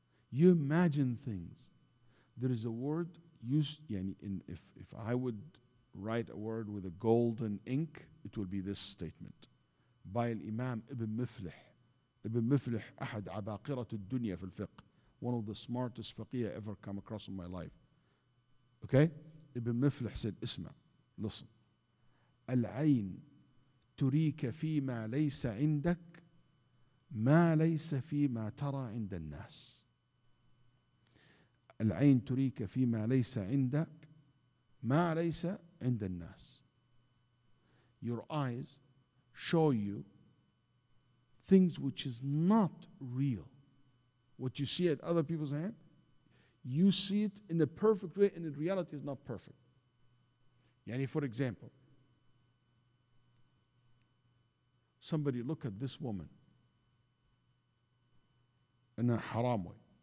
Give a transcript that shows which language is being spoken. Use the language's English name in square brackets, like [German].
[English] You imagine things. There is a word used, if I would write a word with a golden ink, it would be this statement. By Imam Ibn Miflih. Ibn Miflih, Ahad Abaqirat al-Dunya fil Fiqh. One of the smartest faqih I ever come across in my life. Okay? Ibn Miflih said, Isma, listen. [Arabic] العين تريك فيما ليس عندك ما ليس فيما ترى عند الناس. العين تريك فيما ليس عندك ما ليس عند الناس. [English] Your eyes show you things which is not real. What you see at other people's hand, you see it in a perfect way, and in reality is not perfect. يعني for example, somebody look at this woman in a haram way.